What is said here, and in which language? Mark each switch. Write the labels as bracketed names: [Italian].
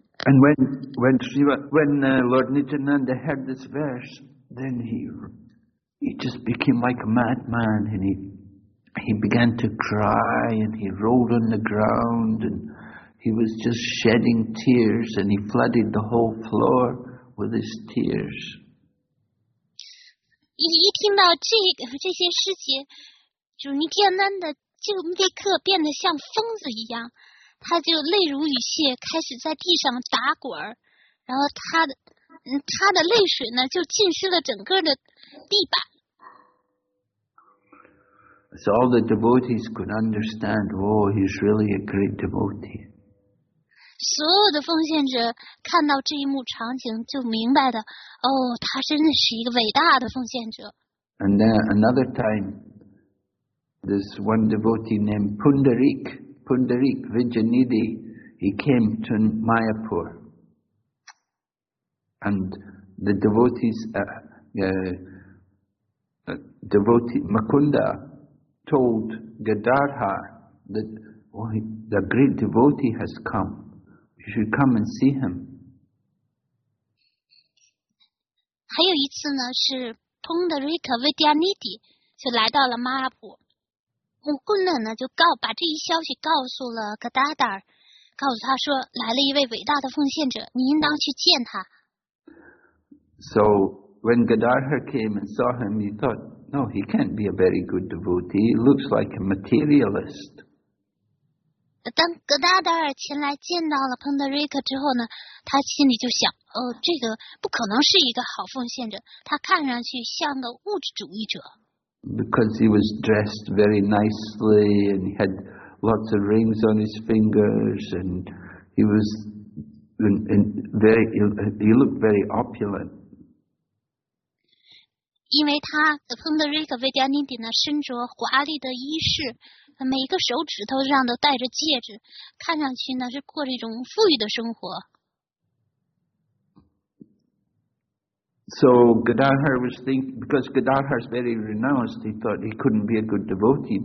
[English] And when Lord Nityananda heard this verse, then he just became like a madman and he began to cry and he rolled on the ground andHe was just shedding tears, and he flooded the whole floor with his tears. [Chinese] 一听到这些诗节，主尼天南的就立刻变得像疯子一样，他就泪如雨泻，开始在地上打滚，然后他的泪水呢就浸湿了整个的地板。 [English] So all the devotees could understand, oh, he's really a great devotee. [Chinese] 所有的奉献者看到这一幕场景就明白的，哦，他真的是一个伟大的奉献者。 [English] And then another time, this one devotee named Pundarik Vijayanidhi, he came to Mayapur, and the devotees, devotee Mukunda, told Gadarha that the great devotee has come. You should come and see him. [Chinese] 还有一次呢，是 Pundarik Vidyanidhi 就来到了 Mayapur。 Mukunda 呢就把这一消息告诉了 Gadadhar。告诉他说来了一位伟大的奉献者，你应当去见他。 [English] So when Gadadhar came and saw him, he thought, no, he can't be a very good devotee. He looks like a materialist. [Chinese] 当格达达尔前来见到了彭德瑞克之后呢，他心里就想，哦，这个不可能是一个好奉献者，他看上去像个物质主义者。 [English] Because he was dressed very nicely and he had lots of rings on his fingers and he was he looked very opulent. [Chinese] 因为他彭德瑞克维加尼迪呢身着华丽的衣饰，每一个手指头上都戴着戒指，看上去呢是过着一种富裕的生活。 [English] So Gadadhar was thinking, because Gadadhar is very renounced, he thought he couldn't be a good devotee.